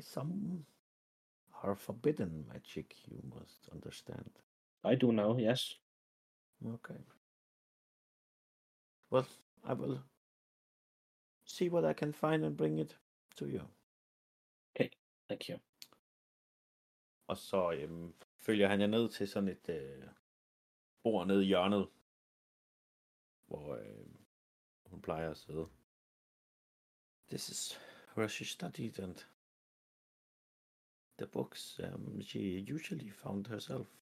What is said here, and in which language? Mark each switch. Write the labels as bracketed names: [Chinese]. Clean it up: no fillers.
[English] Some are forbidden magic, you must understand. I do know, yes. Okay. Well, I will see what I can find and bring it to you. Okay, thank you. [Danish] Og så følger han jer ned til sådan et bord nede i hjørnet, hvor hun plejer at sidde. [English] This is where she studied, and the books she usually found herself.